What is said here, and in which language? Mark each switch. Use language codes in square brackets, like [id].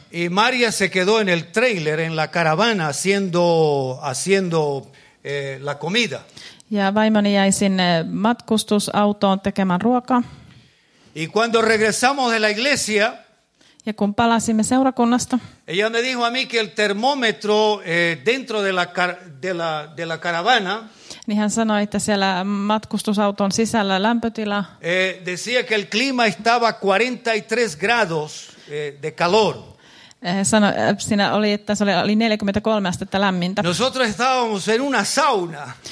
[es] Y María se quedó en el trailer en la caravana haciendo la comida. [fi] Ja vaimoni jäi sinne matkustusautoon tekemään ruokaa. [es] Y cuando regresamos de la iglesia, [fi] ja kun palasimme seurakunnasta, [es] ella me dijo a mí que el termómetro dentro de la caravana, [fi] niin hän sanoi, että siellä matkustusauton sisällä lämpötila [es] decía que el clima estaba 43 grados de calor. [fi] Siinä oli, että se oli 43 astetta lämmintä. [es] Nosotros estábamos en una sauna.